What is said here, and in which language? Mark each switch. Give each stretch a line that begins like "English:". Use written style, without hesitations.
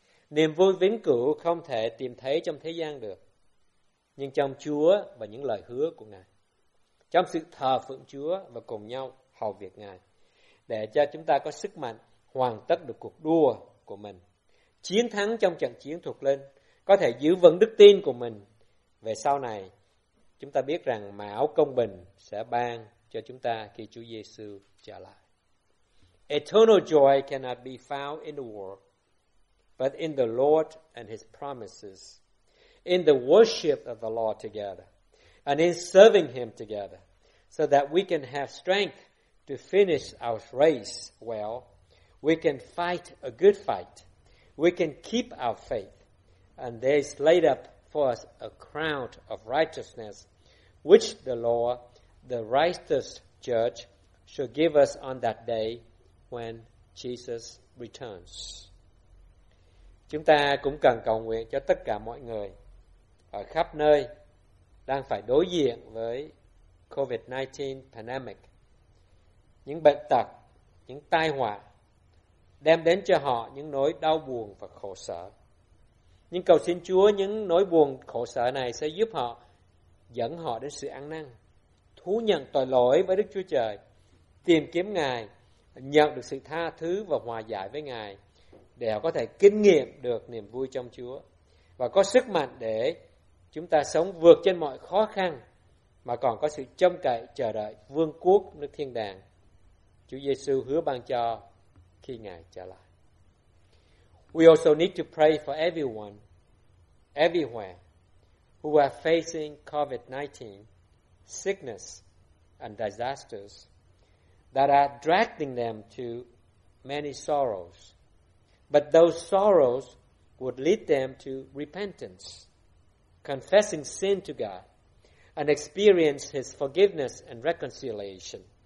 Vietnamese: Niềm vui vĩnh cửu không thể tìm thấy trong thế gian được, nhưng trong Chúa và những lời hứa của Ngài, trong sự thờ phượng Chúa và cùng nhau hầu việc Ngài, để cho chúng ta có sức mạnh hoàn tất được cuộc đua của mình, chiến thắng trong trận chiến thuộc linh, có thể giữ vững đức tin của mình. Về sau này, chúng ta biết rằng mão công bình sẽ ban cho chúng ta khi Chúa Giê-xu trở lại.
English: Eternal joy cannot be found in the world, but in the Lord and His promises, in the worship of the Lord together, and in serving Him together, so that we can have strength to finish our race well, we can fight a good fight, we can keep our faith, and there is laid up for us a crown of righteousness, which the Lord, the righteous judge, shall give us on that day when Jesus returns.
Vietnamese: Chúng ta cũng cần cầu nguyện cho tất cả mọi người ở khắp nơi đang phải đối diện với COVID-19 pandemic, những bệnh tật, những tai họa đem đến cho họ những nỗi đau buồn và khổ sở. Nhưng cầu xin Chúa những nỗi buồn khổ sở này sẽ giúp họ, dẫn họ đến sự ăn năn, thú nhận tội lỗi với Đức Chúa Trời, tìm kiếm Ngài, nhận được sự tha thứ và hòa giải với Ngài, để họ có thể kinh nghiệm được niềm vui trong Chúa và có sức mạnh để chúng ta sống vượt trên mọi khó khăn, mà còn có sự trông cậy chờ đợi vương quốc nước thiên đàng Chúa Giê-xu hứa ban cho khi Ngài trở lại.
English: We also need to pray for everyone, everywhere, who are facing COVID-19, sickness, and disasters that are dragging them to many sorrows. But those sorrows would lead them to repentance, confessing sin to God, and experience His forgiveness and reconciliation.